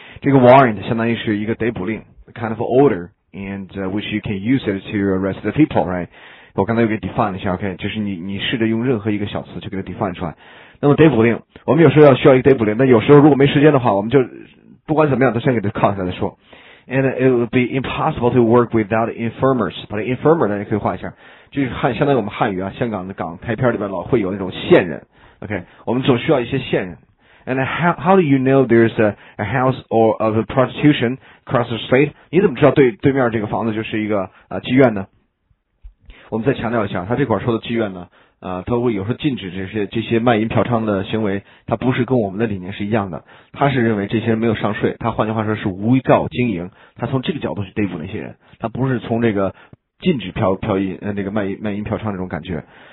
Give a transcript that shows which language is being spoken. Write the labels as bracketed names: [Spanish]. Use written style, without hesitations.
[Chinese] 这个 warrant 相当于是一个逮捕令 [English] ，kind of order, and which you can use it to arrest the people, right? [Chinese] 我刚才又给 define 了一下 ，OK， 就是你试着用任何一个小词去给它 define 出来。那么逮捕令，我们有时候要需要一个逮捕令，那有时候如果没时间的话，我们就不管怎么样都先给它 cut 下来再说。 [English] And it would be impossible to work without informers. [Chinese] 把这 informer 呢，也可以画一下，就是相当于我们汉语啊，香港的港台片里边老会有那种线人。 OK， 我们总需要一些线人。 [English] And how do you know there's a house or of a prostitution across the street? [Chinese] 你怎么知道对面这个房子就是一个妓院呢？我们再强调一下，他这块说的妓院呢，他会有时候禁止这些卖淫嫖娼的行为，他不是跟我们的理念是一样的。他是认为这些人没有上税，他换句话说是无照经营。他从这个角度去逮捕那些人，他不是从这个禁止嫖淫那个卖淫嫖娼这种感觉。